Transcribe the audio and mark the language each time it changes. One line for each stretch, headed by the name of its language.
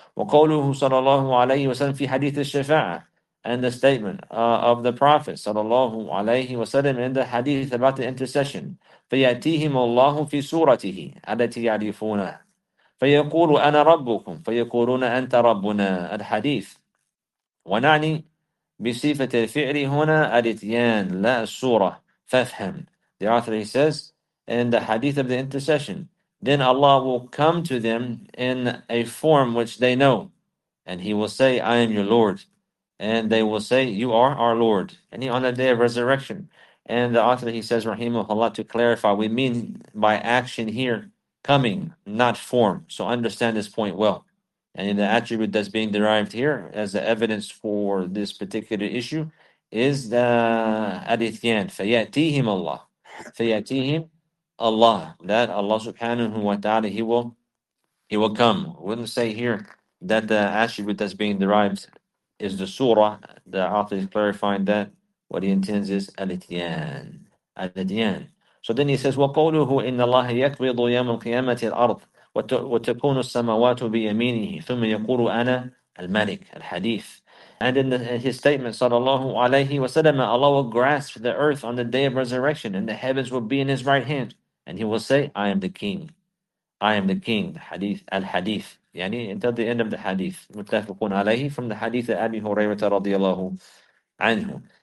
Arabic: وَقَوْلُهُ صَلَى اللَّهُ عَلَيْهِ وَسَلَمْ فِي حَدِيثِ الشَّفَاعَةِ.
English: And the statement of the Prophet sallallahu alayhi wa sallam in the hadith about the intercession,
Arabic: فَيَأْتِيهِمُ اللَّهُ فِي سُورَتِهِ أَلَتِي يَعْرِفُونَ فَيَقُولُ أَنَا رَبُّكُمْ فَيَقُولُونَ أَنْتَ رَبُّنَا الحديث. ونعني بصفة الفعل هنا الاتيان لا السورة فافهم.
English: The author, he says, in the hadith of the intercession, then Allah will come to them in a form which they know, and He will say, I am your Lord. And they will say, you are our Lord. And on the day of resurrection. And the author, he says, rahimahullah, to clarify, we mean by action here, coming, not form. So understand this point well. And the attribute that's being derived here as the evidence for this particular issue is the adithyan. Fayatihim Allah. Fayatihim Allah. That Allah subhanahu wa ta'ala, he will come. Wouldn't say here that the attribute that's being derived is the surah. The author is clarifying that what he intends is al-ityan, al-ityan. So then he says,
Arabic: وَقَوْلُهُ إِنَّ اللَّهَ يَكْبِضُ يَوْمَ الْقِيَامَةِ الْأَرْضِ وَتَكُونُ السَّمَاوَاتُ بِيَمِينِهِ ثُمَّ يَقُولُ أَنَا الْمَلِكِ الْحَدِيثِ.
English: And in his statement, sallallahu alayhi wa sallam, Allah will grasp the earth on the day of resurrection, and the heavens will be in His right hand, and He will say, I am the King. I am the King. The hadith, al-hadith. Yani, until the end of the hadith, muttafaqun alayhi, from the hadith of Abi Hurayrah radiallahu anhu.